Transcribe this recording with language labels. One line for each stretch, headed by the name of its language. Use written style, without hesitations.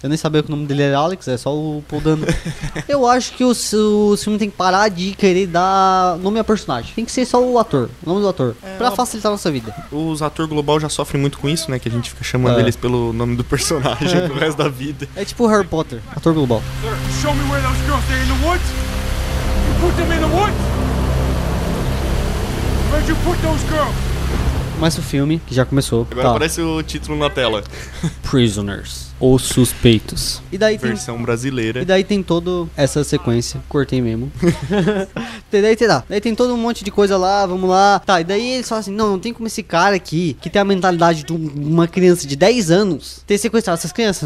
Portuguese: Eu nem sabia que o nome dele era Alex, é só o Paul Dano. Eu acho que o filme tem que parar de querer dar nome a personagem. Tem que ser só o ator, o nome do ator, pra facilitar a nossa vida. Os atores global já sofrem muito com isso, né? Que a gente fica chamando eles pelo nome do personagem pro resto da vida. É tipo Harry Potter, ator global.
English: Sir, show me where those girls are in the woods. You put them in the woods. Where'd you put those girls?
Portuguese: Começa o filme, que já começou. Agora tá. Aparece o título na tela. Prisoners. Ou suspeitos. E daí versão brasileira. E daí tem toda essa sequência. Cortei mesmo. daí tem todo um monte de coisa lá, vamos lá. Tá, e daí eles falam assim, não tem como esse cara aqui, que tem a mentalidade de uma criança de 10 anos, ter sequestrado essas crianças.